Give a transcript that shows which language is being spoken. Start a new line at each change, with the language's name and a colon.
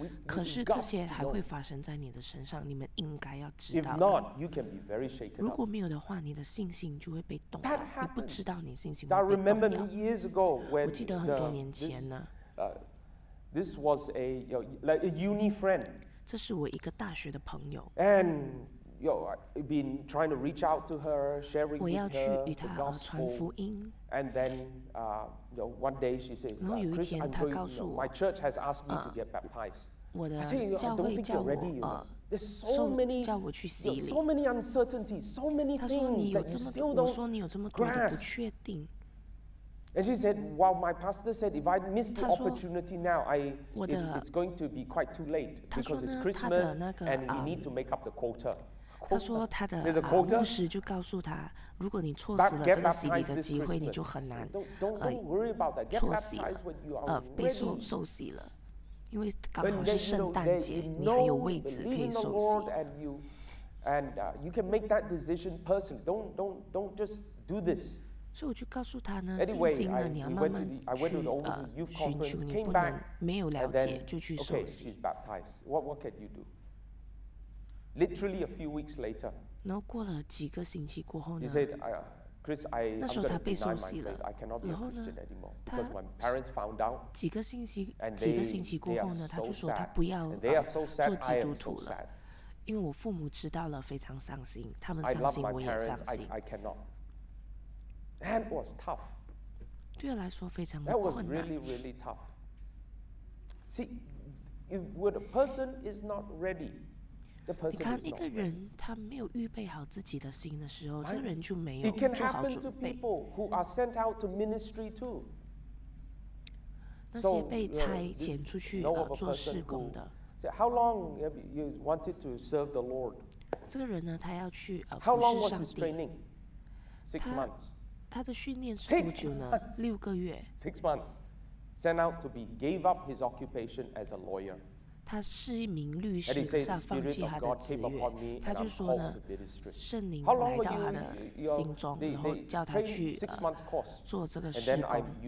Chinese: 可是这些还会发生在你的身上，你们应该要知道的。如果没有的话，你的信心就会被动摇，你不知道你信心会被动摇。我记得很多年前呢，
English: This was a uni friend.
Chinese: 这是我一个大学的朋友。
English: And I've been trying to reach out to her, sharing with her the gospel.
Chinese: 我要去与她传福音。
English: And then, one day she says, "Chris, I'm going to my church has asked me to get baptized."
Chinese: 我的教会叫我叫我去洗礼。
English: So many uncertainties, so many things that you still don't grasp. And she said, "Well, my pastor said if I miss the opportunity now, it's going to be quite too late because it's Christmas and we need to make up the quota."
Chinese: 他说他的牧师就告诉他，如果你错失了这个洗礼的机会，你就很难错洗了，被受洗了，因为刚好是圣诞节，你还有位置可以受洗。
English: And you can make that decision personally. Don't just do this.
Chinese: 所以我就告诉他呢，信心呢，你要慢慢去寻求，你不能没有了解就去受洗。
English: What can you do? Literally a few weeks later.
Chinese: 然后过了几个星期过后呢
English: ，He said, "Chris, I am going to deny my faith. I cannot be a Christian anymore." Because my parents found out.
Chinese: 几个星期过后呢，他就说他不要做基督徒了，因为我父母知道了，非常伤心。他们伤心，我也伤心。
English: That was tough.
Chinese: 对我来说非常困难。
English: That was really, really tough. See, if a person is not ready, the person is not ready.
Chinese: 你看一个人，他没有预备好自己的心的时候，这个人就没有做好准备。
English: It can happen to people who are sent out to ministry too.
Chinese: 那些被差遣出去做事工的。
English: How long have you wanted to serve the Lord?
Chinese: 这个人呢，他要去服侍上帝。
English: How long was his training?
Chinese: 他的训练是多久呢？六个月。
English: Six months, sent out to be, gave up his occupation as a lawyer.
Chinese: 他是一名律师，可是他放弃他的职业。他就说呢，圣灵来到他的心中，然后叫他去做这个事工。